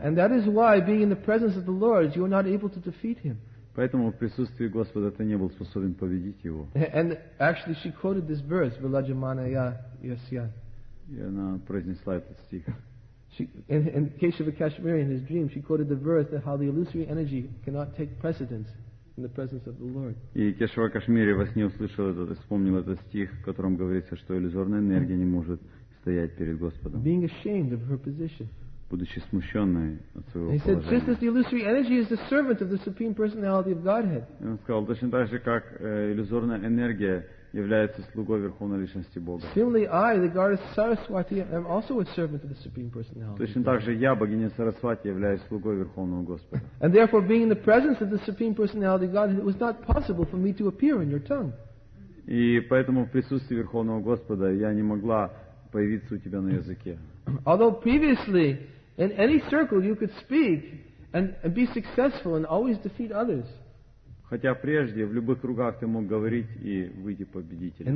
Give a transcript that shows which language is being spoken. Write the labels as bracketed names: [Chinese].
[English] And that is why, being in the presence of the Lord, you are not able to defeat him. [Russian] Поэтому в присутствии Господа ты не был способен победить его. [English] And actually, she quoted this verse, Vilajamanaya Yasya. [Russian] И она произнесла этот стих. [English] In Keshava Kashmiri, in his dream, she quoted the verse that how the illusory energy cannot take precedence in the presence of the Lord. [Russian] И Кешава Кашмири во сне услышал этот, вспомнил этот стих, в котором говорится, что иллюзорная энергия не может стоять перед Господом. [English] Being ashamed of her position. [Russian] Будучи смущенной от своего положения. [English] He said, just as the illusory energy is the servant of the Supreme Personality of Godhead. [Russian] И он сказал, точно так же, как иллюзорная энергия является слугой Верховной Личности Бога. [English] Similarly, I, the goddess Saraswati, am also a servant of the Supreme Personality. [Russian] Точно так же я, богиня Сарасвати, являюсь слугой Верховного Господа. [English] And therefore, being in the presence of the Supreme Personality of God, it was not possible for me to appear in your tongue. [Russian] И поэтому в присутствии Верховного Господа я не могла появиться у тебя на языке. [English] Although previously, in any circle, you could speak and be successful and always defeat others. [Russian] Хотя прежде в любых кругах ты мог говорить и выйти победителем.